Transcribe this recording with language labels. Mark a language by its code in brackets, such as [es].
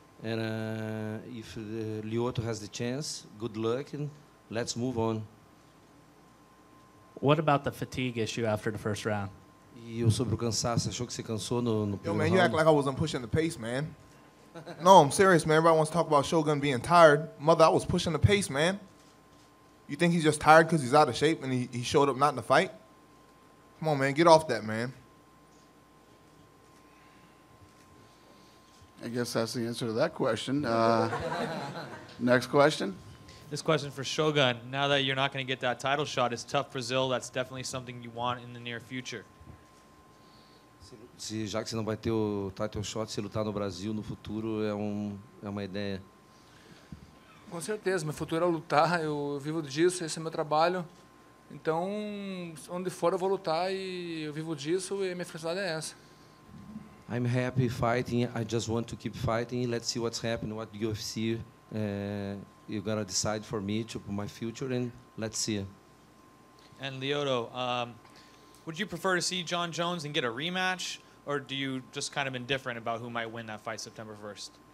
[en] And if Lyoto has the chance, good luck and let's move on. What about the fatigue issue after the first round? [pt] E eu sobre o cansaço, achou que você cansou no primeiro round? [en] Yo, man, you act like I wasn't pushing the pace, man. No, I'm serious, man. Everybody wants to talk about Shogun being tired. Mother, I was pushing the pace, man. You think he's just tired because he's out of shape and he showed up not in the fight? Come on, man, get off that, man. I guess that's the answer to that question. next question. This question for Shogun. Now that you're not going to get that title shot, it's tough Brazil. That's definitely something you want in the near future. [pt] Se já que você não vai ter o title shot, se lutar no Brasil no futuro é uma ideia. Com certeza, meu futuro é lutar, eu vivo disso, esse é meu trabalho. Então, onde for eu vou lutar e eu vivo disso e minha felicidade é essa. [en] I'm happy fighting, I just want to keep fighting, let's see what's happening, what the UFC you gotta decide for me, to my future, and let's see. And Lyoto, would you prefer to see John Jones and get a rematch? Or do you just kind of indifferent about who might win that fight September 1st?